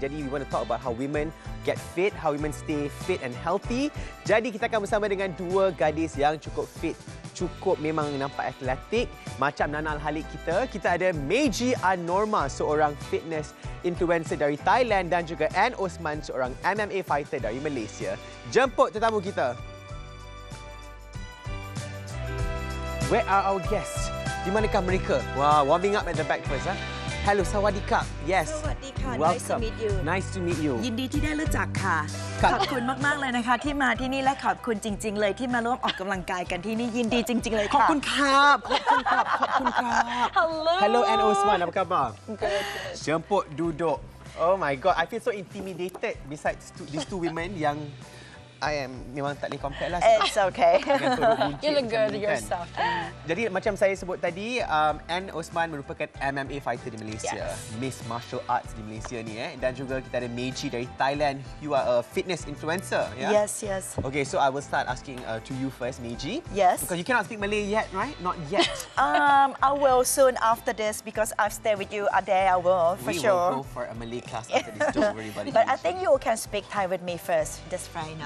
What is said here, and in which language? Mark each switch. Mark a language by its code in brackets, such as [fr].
[en] Jadi we want to talk about how women get fit, how women stay fit and healthy. [ms] Jadi kita akan bersama dengan dua gadis yang cukup fit, cukup memang nampak atletik macam Nana Al-Halik kita. Kita ada Meiji Anorma, seorang fitness influencer dari Thailand, dan juga Anne Osman, seorang MMA fighter dari Malaysia. Jemput tetamu kita. [en] Where are our guests? [ms] Di manakah mereka? [en] Wow, warming up at the back first. Huh? Hello, sawadika. Yes. Sawadika. Welcome. Nice to meet you. Nice to meet you. [th] ยินดีที่ได้รู้จักค่ะขอบคุณมากๆเลยนะคะที่มาที่นี่และขอบคุณจริงๆเลยที่มาร่วมออกกำลังกายกันที่นี่ยินดีจริงๆเลยค่ะ ขอบคุณครับขอบคุณครับขอบคุณครับ [en] Hello. [ms] Hello, Anne Osman. Apa khabar? [en] Good. [ms] Jemput duduk. [en] Oh my god, I feel so intimidated besides these two women yang I am [ms] memang tak boleh [en] compare lah. It's okay. You look good yourself. [ms] Jadi macam saya sebut tadi, Anne Osman merupakan MMA fighter di Malaysia. Yes. Miss Martial Arts di Malaysia ni. Dan juga kita ada Meiji dari Thailand. [en] You are a fitness influencer. Yeah? Yes, yes. Okay, so I will start asking to you first, Meiji. Yes. Because you cannot speak Malay yet, right? Not yet. I will soon after this because I've stayed with you a day. I will, for We sure. We will go for a Malay class after this. Don't worry about it. But Meiji, I think you can speak Thai with me first, this Friday now.